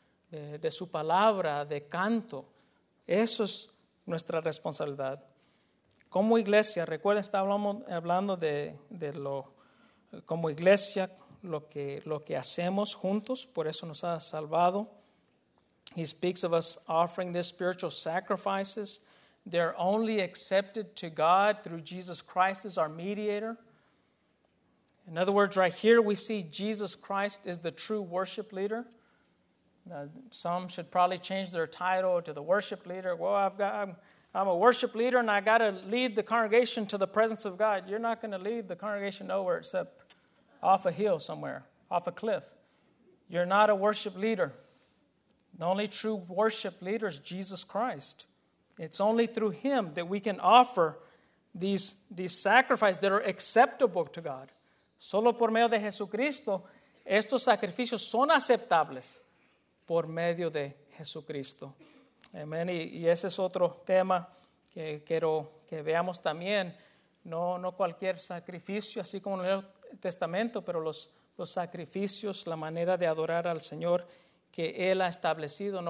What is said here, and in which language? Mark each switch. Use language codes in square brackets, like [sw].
[es] De su palabra, de canto. Eso es nuestra responsabilidad. Como iglesia, recuerden, estábamos hablando de lo como iglesia, lo que hacemos juntos, por eso nos ha salvado. [en] He speaks of us offering these spiritual sacrifices. They are only accepted to God through Jesus Christ as our mediator. In other words, right here we see Jesus Christ is the true worship leader. Some should probably change their title to the worship leader. Well, I'm a worship leader and I got to lead the congregation to the presence of God. You're not going to lead the congregation nowhere except off a hill somewhere, off a cliff. You're not a worship leader. The only true worship leader is Jesus Christ. It's only through him that we can offer these sacrifices that are acceptable to God. [es] Solo por medio de Jesucristo, estos sacrificios son aceptables por medio de Jesucristo. Amen. Y ese es otro tema que quiero que veamos también. No cualquier sacrificio, así como en el Testamento, pero los sacrificios, la manera de adorar al Señor que Él ha establecido.